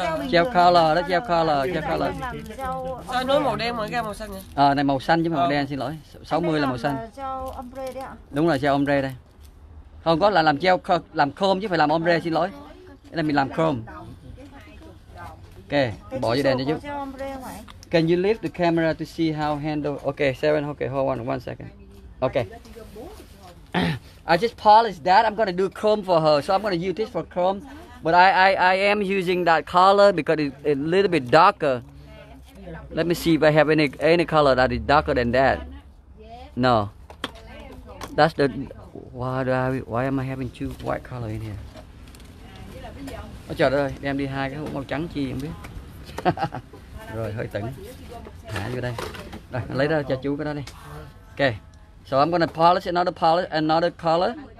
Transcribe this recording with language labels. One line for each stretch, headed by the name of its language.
English: Gel color. Gel color.
Vietnamese: Sao nói màu đen mà ra màu xanh vậy? Này màu xanh chứ màu đen, xin lỗi. 60 là màu xanh. Gel ombre đấy ạ. Đúng là gel ombre đây. Không có là làm gel làm chrome chứ phải làm ombre, xin lỗi. Cái này mình làm chrome. Ok, bỏ vô đèn cho chú.
English: Can you lift the camera to see how handle? Ok, 7, ok, hold on one second. Ok. I just polished that. I'm going to do chrome for her. So I'm going to use this for chrome. But I am using that color because it's a little bit darker. Let me see if I have any color that is darker than that. No. That's the... Why am I having two white color in here?
Vietnamese: Ôi trời ơi, đem đi hai cái hũ màu trắng chi không biết. Rồi hơi tỉnh. Thả vô đây. Rồi lấy ra cho chú cái đó đi.
English: Ok. So I'm gonna polish another palette, another color.